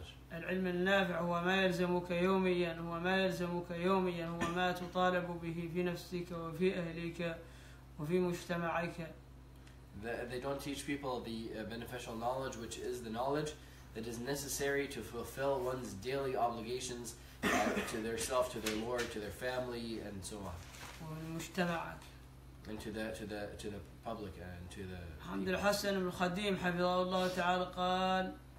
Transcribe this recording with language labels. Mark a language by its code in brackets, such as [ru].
[ar] العلم النافع هو ما يلزمك يوميا هو ما يلزمك يوميا هو ما تطالب به في نفسك وفي أهلك وفي مجتمعك. [en] They don't teach people the beneficial knowledge, which is the knowledge that is necessary to fulfill one's daily obligations to their self, to their Lord, to their family, and so on. [ar] ومجتمعك. [en] And to the public and to the. [ar] الحمد لله حسن بن خديم حفظه الله تعالى قال.